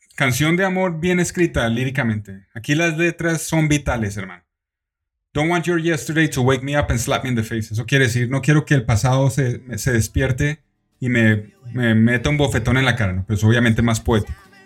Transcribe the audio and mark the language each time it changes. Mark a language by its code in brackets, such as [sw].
[es] Canción de amor bien escrita líricamente. Aquí las letras son vitales, hermano. [en] Don't want your yesterday to wake me up and slap me in the face. [es] Eso quiere decir, no quiero que el pasado se despierte y me meta un bofetón en la cara, ¿no? Pero es obviamente más poético.